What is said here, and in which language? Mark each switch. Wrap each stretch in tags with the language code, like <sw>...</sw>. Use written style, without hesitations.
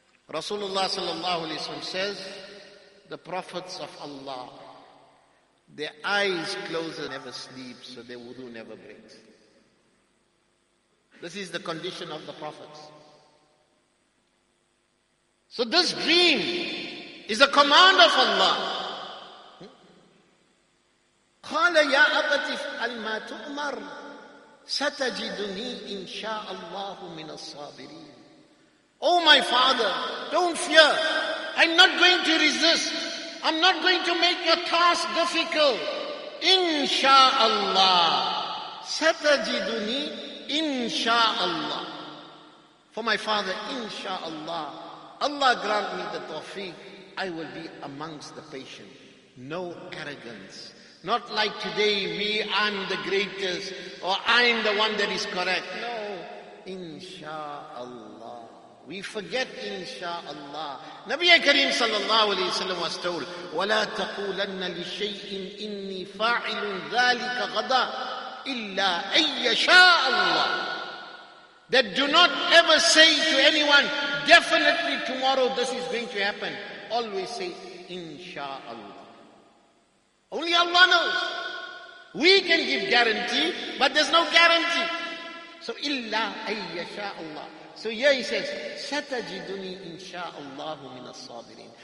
<en>Rasulullah sallallahu alayhi wa sallam says, the prophets of Allah, their eyes close and never sleep, so their wudu never breaks. This is the condition of the prophets. So this dream is a command of Allah.</en> <ar>قال يا أبت افعل ما تؤمر ستجدني إن شاء الله من الصابرين.</ar> <en>Oh my father, don't fear. I'm not going to resist. I'm not going to make your task difficult.</en> <ar>إن شاء الله ستجدني إن شاء الله.</ar> <en>For my father,</en> <ar>إن شاء الله,</ar> <en>Allah grant me the tawfiq, I will be amongst the patient. No arrogance. Not like today, me, I'm the greatest, or I'm the one that is correct. No, inshallah. We forget inshallah. Nabi Kareem sallallahu alayhi wa sallam was told,</en> <ar>وَلَا تَقُولَنَّ لِشَيْءٍ إِنِّي فَاعِلٌ ذَلِكَ غَدَى إِلَّا أَيَّ شَاءَ اللَّهِ.</ar> <en>That do not ever say to anyone, definitely tomorrow this is going to happen. Always say, inshallah. Only Allah knows. We can give guarantee, but there's no guarantee.</en> <ar>So, illa ayya sha Allah.</ar> <en>So here he says,</en> <ar>satajiduni insha'allahu min as-sabirin.</ar>